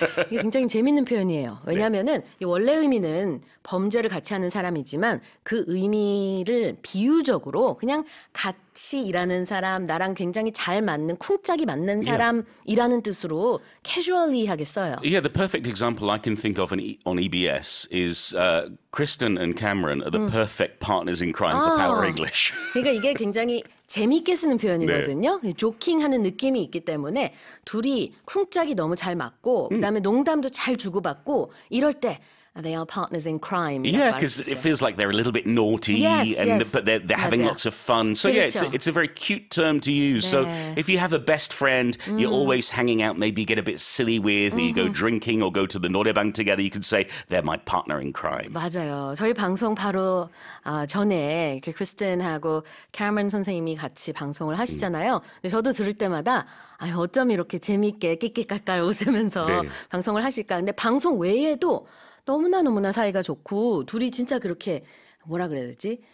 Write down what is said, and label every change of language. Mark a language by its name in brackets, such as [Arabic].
[Korean] 이게 굉장히 재밌는 표현이에요. 왜냐하면은 네. 원래 의미는 범죄를 같이 하는 사람이지만 그 의미를 비유적으로 그냥 같이 일하는 사람, 나랑 굉장히 잘 맞는 쿵짝이 맞는 사람이라는 뜻으로 casually 하게 써요. [English] Yeah, the perfect example I can think of on EBS is Kristen and Cameron are the perfect partners in crime for Power English. [Korean] 그러니까 이게 굉장히 재미있게 쓰는 표현이거든요. 네. 조킹하는 느낌이 있기 때문에 둘이 쿵짝이 너무 잘 맞고 그다음에 농담도 잘 주고받고 이럴 때 [English] They are partners in crime. Yeah, because it feels like they're a little bit naughty, but they're having lots of fun. So yeah, it's a very cute term to use. [Korean] 네. [English] So if you have a best friend, you're always hanging out, maybe get a bit silly with, or you go drinking or go to the 노래방 together, you can say, they're my partner in crime. [Korean] 맞아요. 저희 방송 바로 전에 그 크리스틴하고 카멘 선생님이 같이 방송을 하시잖아요. 근데 저도 들을 때마다 아유, 어쩜 이렇게 재미있게 끼끼깔깔 웃으면서 방송을 하실까. 근데 방송 외에도 너무나 사이가 좋고 둘이 진짜 그렇게 뭐라 그래야 되지?